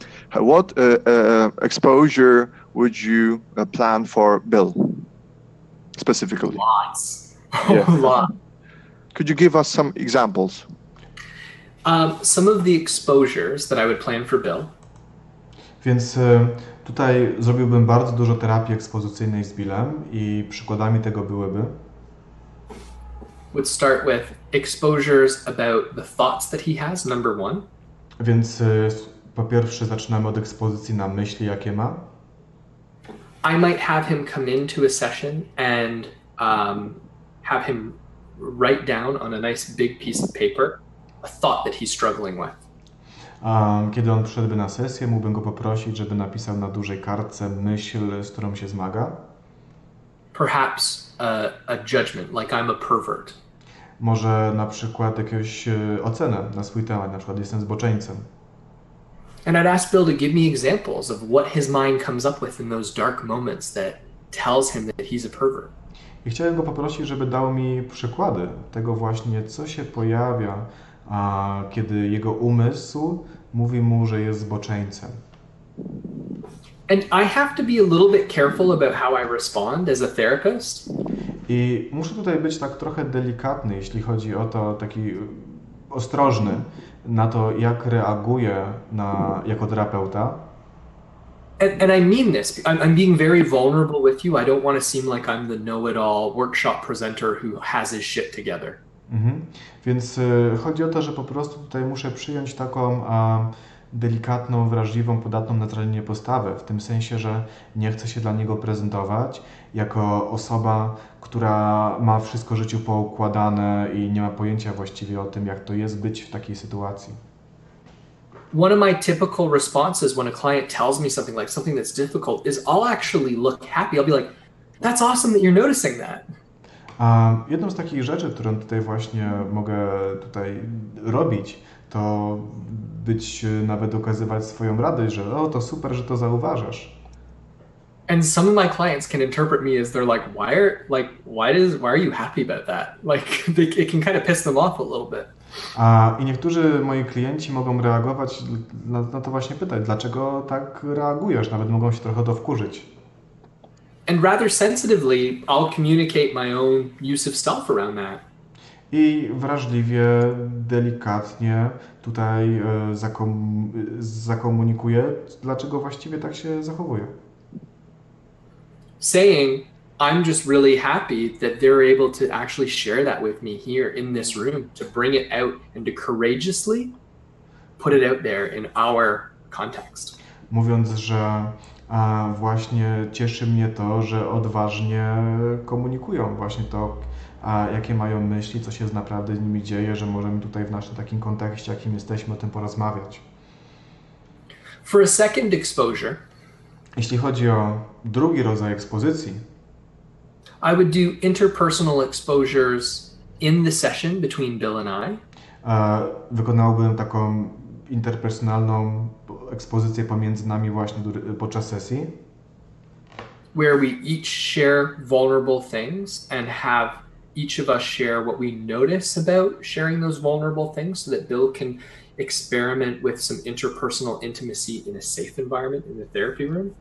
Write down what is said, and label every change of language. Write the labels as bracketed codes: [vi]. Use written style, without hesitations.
[en] What exposure would you plan for bill specifically? Lots. Yeah. Lot. Could you give us some examples? Some of the exposures that I would plan for bill. [pl] Więc tutaj zrobiłbym bardzo dużo terapii ekspozycyjnej z Billem i przykładami tego byłyby. [en] Would start with exposures about the thoughts that he has, number one. [pl] Więc po pierwsze zaczynamy od ekspozycji na myśli, jakie ma. [en] I might have him come into a session and have him write down on a nice big piece of paper a thought that he's struggling with. [pl] Kiedy on przyszedłby na sesję, mógłbym go poprosić, żeby napisał na dużej kartce myśl, z którą się zmaga. [en] Perhaps a judgment, like I'm a pervert. [pl] Może na przykład jakąś ocenę na swój temat, na przykład jestem zboczeńcem. [en] And I'd ask Bill to give me examples of what his mind comes up with in those dark moments that tells him that he's a pervert. [pl] I chciałem go poprosić, żeby dał mi przykłady tego właśnie, co się pojawia, kiedy jego umysł mówi mu, że jest zboczeńcem. [en] And I have to be a little bit careful about how I respond as a therapist. [pl] I muszę tutaj być tak trochę delikatny, jeśli chodzi o to, taki ostrożny na to, jak reaguję na, jako terapeuta. [en] And I mean this. I'm being very vulnerable with you. I don't want to seem like I'm the know-it-all workshop presenter who has his shit together. Mm-hmm. [pl] Więc chodzi o to, że po prostu tutaj muszę przyjąć taką delikatną, wrażliwą, podatną na zranienie postawę, w tym sensie, że nie chcę się dla niego prezentować jako osoba, która ma wszystko w życiu poukładane i nie ma pojęcia właściwie o tym, jak to jest być w takiej sytuacji. [en] One of my typical responses when a client tells me something like something that's difficult is I'll actually look happy. I'll be like, that's awesome that you're noticing that. [pl] Jedną z takich rzeczy, którą tutaj właśnie mogę tutaj robić, to być nawet okazywać swoją radość, że o, to super, że to zauważasz. [en] And some of my clients can interpret me as they're why are you happy about that? It can kind of piss them off a little bit. [pl] I niektórzy moi klienci mogą reagować na to właśnie pytać, dlaczego tak reagujesz? Nawet mogą się trochę to wkurzyć. [en] And rather sensitively, I'll communicate my own use of self around that. [pl] I wrażliwie, delikatnie tutaj zakomunikuję, dlaczego właściwie tak się zachowuję. [en] Saying, I'm just really happy that they're able to actually share that with me here in this room, to bring it out and to courageously put it out there in our context. [pl] Mówiąc, że właśnie cieszy mnie to, że odważnie komunikują właśnie to, jakie mają myśli, co się naprawdę z nimi dzieje, że możemy tutaj w naszym takim kontekście, jakim jesteśmy, o tym porozmawiać. [en] For a second exposure, [pl] jeśli chodzi o drugi rodzaj ekspozycji, [en] I would do interpersonal exposures in the session between Bill and I. [pl] Wykonałbym taką interpersonalną ekspozycję pomiędzy nami właśnie podczas sesji, [en] where we each share vulnerable things and have each of us share what we notice about sharing those vulnerable things so that Bill can experiment with some interpersonal intimacy in a safe environment in the therapy room.